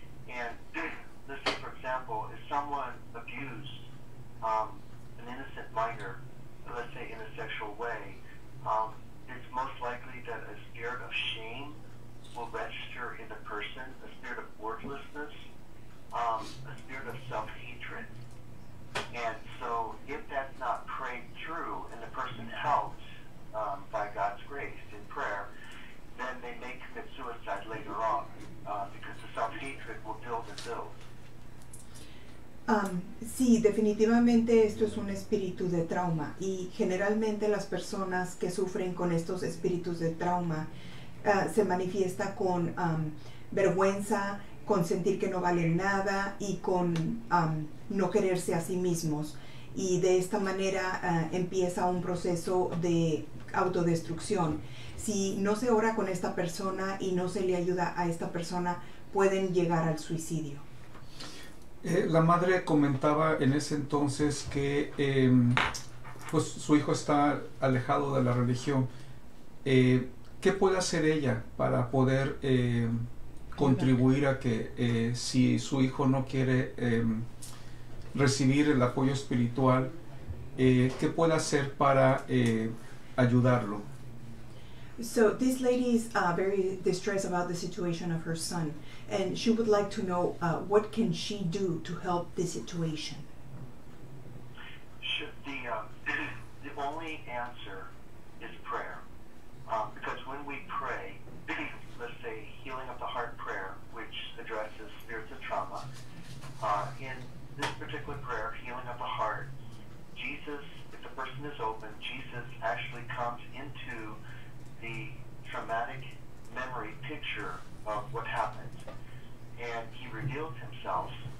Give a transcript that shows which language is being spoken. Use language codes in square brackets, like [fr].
[en] And let's say, for example, if someone abused an innocent minor, let's say in a sexual way, it's most likely that a spirit of shame will register in the person, a spirit of worthlessness, a spirit of self-hatred. And so if that's not prayed through and the person helped by God's grace in prayer, then they may commit suicide later on because the self-hatred will build and build. [es] Sí, definitivamente esto es un espíritu de trauma. Y generalmente las personas que sufren con estos espíritus de trauma se manifiesta con vergüenza, con sentir que no valen nada y con no quererse a sí mismos. Y de esta manera empieza un proceso de autodestrucción. Si no se ora con esta persona y no se le ayuda a esta persona, pueden llegar al suicidio. La madre comentaba en ese entonces que pues su hijo está alejado de la religión. ¿Qué puede hacer ella para poder contribuir a que si su hijo no quiere recibir el apoyo espiritual, ¿qué puede hacer para ayudarlo? [en] So this lady is very distressed about the situation of her son, and she would like to know what can she do to help the situation. The only answer is prayer, because when we pray, let's say healing of the heart prayer, which addresses spirits of trauma, in this particular prayer, healing of the heart, Jesus, if the person is open, Jesus actually comes into the traumatic memory picture of what happened, and he reveals himself